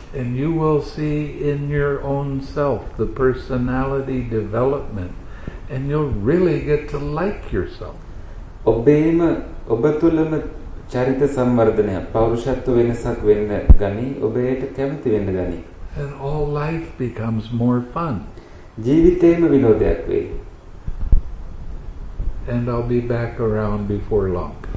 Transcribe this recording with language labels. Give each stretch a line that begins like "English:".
English: And you will see in your own self the personality development and you'll really get to like yourself.
Sinhala: ඔබේම ඔබ තුළම චරිත සංවර්ධනය පෞරුෂත්ව වෙනසක් වෙන්න ගනි ඔබට කැමති වෙන්න ගනි.
English: And all life becomes more fun.
Sinhala: ජීවිතේම විනෝදයක් වේ.
English: And I'll be back around before long.